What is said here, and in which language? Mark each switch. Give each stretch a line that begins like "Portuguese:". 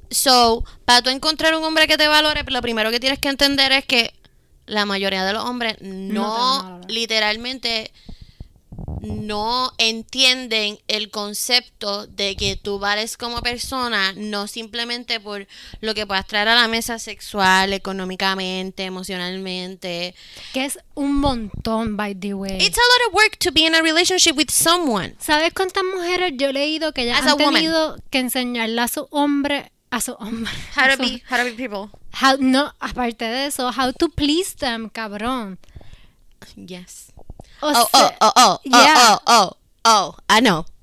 Spanish: So, para tú encontrar un hombre que te valore, lo primero que tienes que entender es que la mayoría de los hombres no entienden el concepto de que tú vales como persona, no simplemente por lo que puedas traer a la mesa sexual, económicamente, emocionalmente. Que es un montón, by the way.
English: It's a lot of work to be in a relationship with someone.
Spanish: ¿Sabes cuántas mujeres yo he leído que ya han tenido que enseñarle a su hombre...
English: How to be people. Aparte de eso, how to please them, cabrón. Yes. I know.